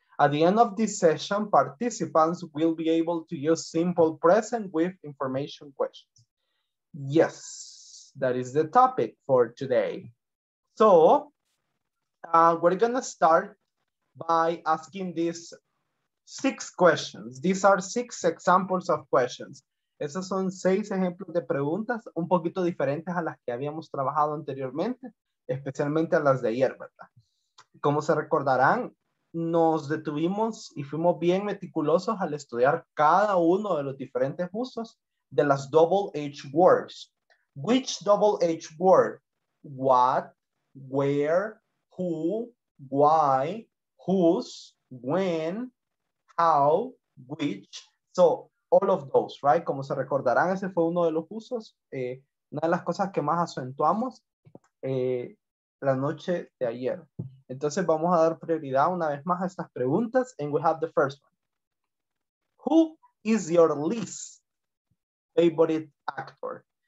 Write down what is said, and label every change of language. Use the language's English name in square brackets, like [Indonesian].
[English] At the end of this session, participants will be able to use simple present with information questions. Yes, that is the topic for today. So, we're gonna start by asking these 6 questions. These are 6 examples of questions. [Spanish] Esos son 6 ejemplos de preguntas, un poquito diferentes a las que habíamos trabajado anteriormente, especialmente a las de ayer, ¿verdad? Como se recordarán, nos detuvimos y fuimos bien meticulosos al estudiar cada uno de los diferentes usos de las double H words. [English] Which double H word? What, where, who, why, whose, when, how, which. So, all of those, right? [Spanish] Como se recordarán, ese fue uno de los usos. Una de las cosas que más acentuamos la noche de ayer. Entonces vamos a dar prioridad una vez más a estas preguntas. [English] And we have the first one. Who is your least favorite actor?